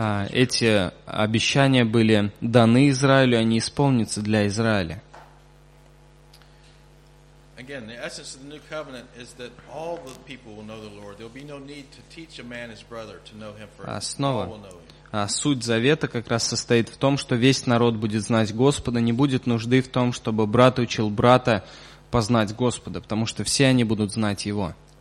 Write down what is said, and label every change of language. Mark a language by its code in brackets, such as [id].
[ru] Эти обещания были даны Израилю, они исполнятся для Израиля. [en] Again, the essence of the new covenant is that all the people will know the Lord. There will be no need to teach a man his brother to know him, for all will know him. [ru] Суть завета как раз состоит в том, что весь народ будет знать Господа, не будет нужды в том, чтобы брат учил брата познать Господа, потому что все они будут знать Его.